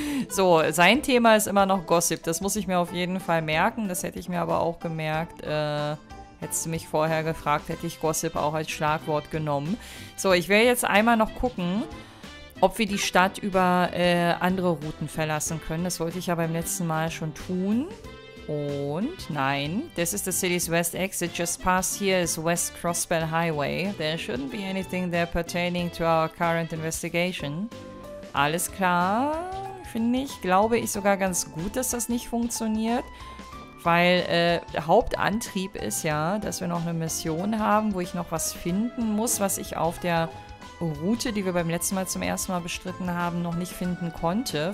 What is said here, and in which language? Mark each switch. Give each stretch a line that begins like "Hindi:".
German: So, sein Thema ist immer noch Gossip. Das muss ich mir auf jeden Fall merken. Das hätte ich mir aber auch gemerkt. Hättest du mich vorher gefragt, hätte ich Gossip auch als Schlagwort genommen. So, ich will jetzt einmal noch gucken, ob wir die Stadt über andere Routen verlassen können. Das wollte ich ja beim letzten Mal schon tun. Und nein,
English: this is the city's west exit. Just past here is West Crossbell Highway. There shouldn't be anything there pertaining to our current investigation.
German: Alles klar, finde ich. Glaube ich sogar ganz gut, dass das nicht funktioniert. Weil der Hauptantrieb ist ja, dass wir noch eine Mission haben, wo ich noch was finden muss, was ich auf der Route, die wir beim letzten Mal zum ersten Mal bestritten haben, noch nicht finden konnte.